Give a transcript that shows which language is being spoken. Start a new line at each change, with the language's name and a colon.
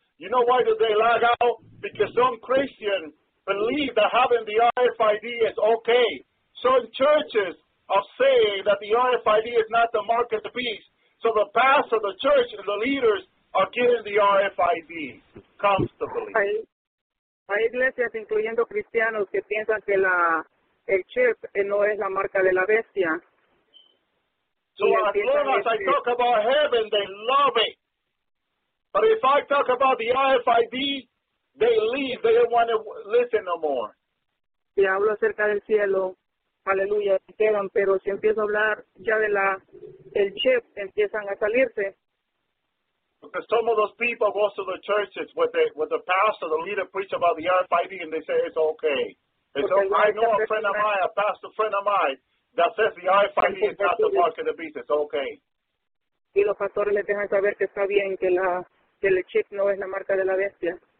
English: You know why do they lock out? Because some Christians believe that having the RFID is okay. Some churches are saying that the RFID is not the mark of the beast. So the pastor, the church, and the leaders are getting the RFID comfortably.
Spanish: Hay iglesias, incluyendo cristianos, que piensan que el chip no es la marca de la bestia.
English: So as long as I talk about heaven, they love it. But if I talk about the RFID, they leave. They don't want to listen no more.
Spanish: Si hablo acerca del cielo, aleluya, quedan. Pero si empiezo a hablar ya de el chip, empiezan a salirse.
English: Because some of those people go to the churches with the pastor, the leader, preach about the RFID, and they say it's okay. And so I know a pastor friend of mine, that says the RFID is not the mark of the beast. It's okay.
Spanish: Y los pastores les dejan saber que está bien, que el chip no es la marca de la bestia.